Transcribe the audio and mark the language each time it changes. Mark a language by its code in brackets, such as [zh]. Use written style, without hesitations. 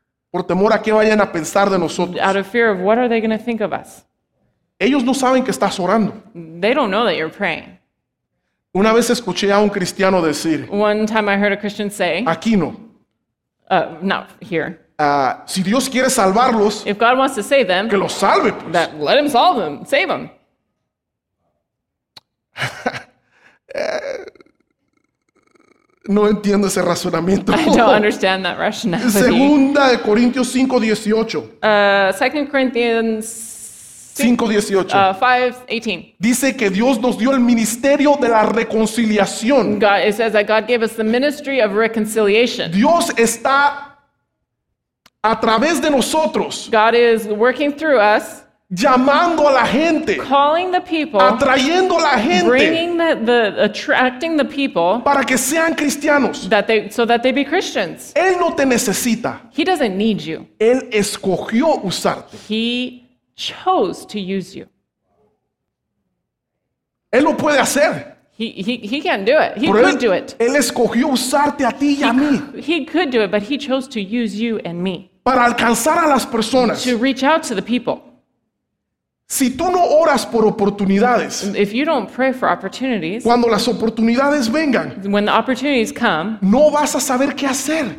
[es] Por temor a qué vayan a pensar de nosotros. [en] Out of fear of what are they going to think of us. [es] Ellos no saben que estás orando. [en] They don't know that you're praying. [es] Una vez escuché a un cristiano decir. [en] One time I heard a Christian say. [es] Aquí no. [en] Not here. [es] Si Dios quiere salvarlos. [en] If God wants to save them. [es] Que los salve, pues. [en] That let him solve them, save them. [es] No entiendo ese razonamiento. [en] I don't understand that rationality. [es] Segunda de Corintios 5:18. [en] 2 Corinthians [es] 5:18. [en] 5:18. [es] Dice que Dios nos dio el ministerio de la reconciliación. [en] God, it says that God gave us the ministry of reconciliation. [es] Dios está a través de nosotros. [en] God is working through us. [es] llamando a la gente, [en] calling the people, [es] atrayendo la gente, [en] bringing the attracting the people, [es] para que sean cristianos, [en] so that they be Christians. [es] Él no te necesita. [en] He doesn't need you. [es] Él escogió usarte. [en] He chose to use you. [es] Él lo puede hacer. [en] He can do it. He could do it. [es] Él escogió usarte a ti y a mí. [en] He could do it, but he chose to use you and me. [es] Para alcanzar a las personas. [en] To reach out to the people. [es] Si tú no oras por oportunidades. [en] If you don't pray for opportunities. [es] Cuando las oportunidades vengan. [en] When the opportunities come. [es] No vas a saber qué hacer.